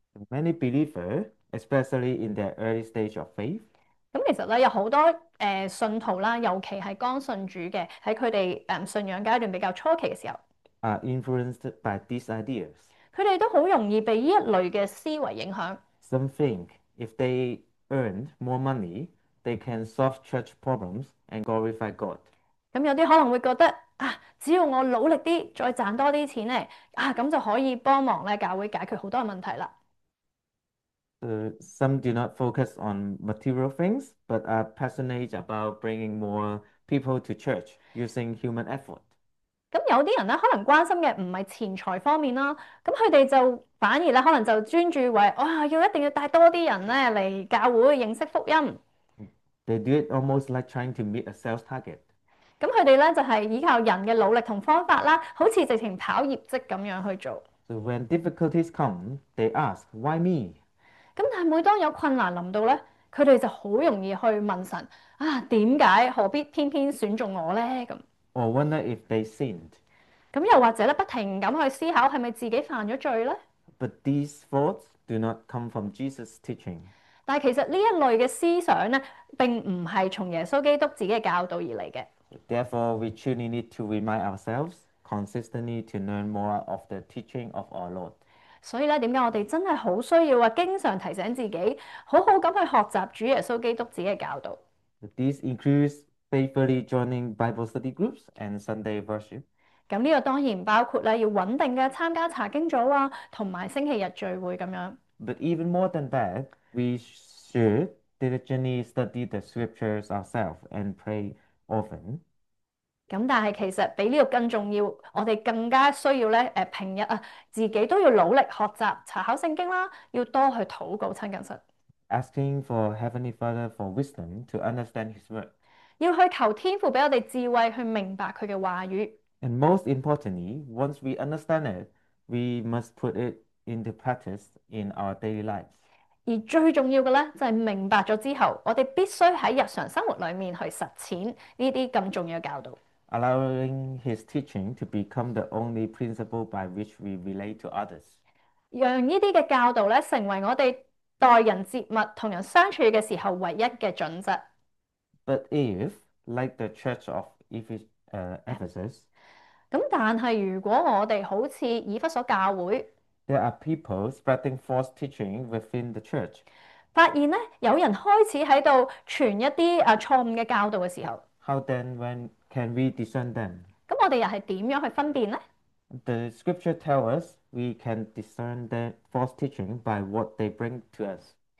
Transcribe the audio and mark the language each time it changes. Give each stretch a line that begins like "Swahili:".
English: Many believers, especially in their early stage of faith,
Cantonese: 咁其实咧，有好多信徒啦，尤其系刚信主嘅，喺佢哋信仰阶段比较初期嘅时候。
English: are influenced by these ideas.
Cantonese: 佢哋都好容易被呢一类嘅思维影响。
English: Some think if they earned more money, they can solve church problems and glorify God.
Cantonese: 咁有啲可能会觉得啊，只要我努力啲，再赚多啲钱咧，啊，咁就可以帮忙咧教会解决好多问题啦。
English: Some do not focus on material things, but are passionate about bringing more people to church using human effort.
Cantonese: 咁有啲人咧，可能关心嘅唔系钱财方面啦，咁佢哋就反而咧，可能就专注为哇，要一定要带多啲人咧嚟教会认识福音。
English: They do it almost like trying to meet a sales target.
Cantonese: 咁佢哋咧就系依靠人嘅努力同方法啦，好似直情跑业绩咁样去做。
English: So when difficulties come, they ask, why me?
Cantonese: 咁但系每当有困难临到咧，佢哋就好容易去问神啊，点解何必偏偏选中我咧？咁。
English: Or wonder if they sinned.
Cantonese: 咁又或者咧，不停咁去思考系咪自己犯咗罪咧？
English: But these thoughts do not come from Jesus' teaching.
Cantonese: 但系其实呢一类嘅思想咧，并唔系从耶稣基督自己嘅教导而嚟嘅。
English: Therefore, we truly need to remind ourselves consistently to learn more of the teaching of our Lord.
Cantonese: 所以咧，点解我哋真系好需要啊？经常提醒自己，好好咁去学习主耶稣基督自己嘅教导。
English: This includes faithfully joining Bible study groups and Sunday worship.
Cantonese: 咁呢个当然包括咧，要稳定嘅参加查经组啊，同埋星期日聚会咁样。
English: But even more than that, we should diligently study the scriptures ourselves and pray often.
Cantonese: 咁但系其实比呢个更重要，我哋更加需要咧，平日啊，自己都要努力学习查考圣经啦，要多去祷告亲近神，
English: Asking for Heavenly Father for wisdom to understand His word.
Cantonese: 要去求天父俾我哋智慧去明白佢嘅话语。
English: And most importantly, once we understand it, we must put it into practice in our daily lives.
Cantonese: 而最重要嘅咧，就系明白咗之后，我哋必须喺日常生活里面去实践呢啲咁重要嘅教导。
English: Allowing His teaching to become the only principle by which we relate to others.
Cantonese: 让呢啲嘅教导咧，成为我哋待人接物、同人相处嘅时候唯一嘅准则。
English: But if, like the Church of Ephesus,
Cantonese: 咁但系如果我哋好似以弗所教会，
English: there are people spreading false teaching within the church.
Cantonese: 发现咧，有人开始喺度传一啲错误嘅教导嘅时候，
English: How then when can we discern them?
Cantonese: 咁我哋又系点样去分辨咧？
English: The scripture tells us we can discern the false teaching by what they bring to us.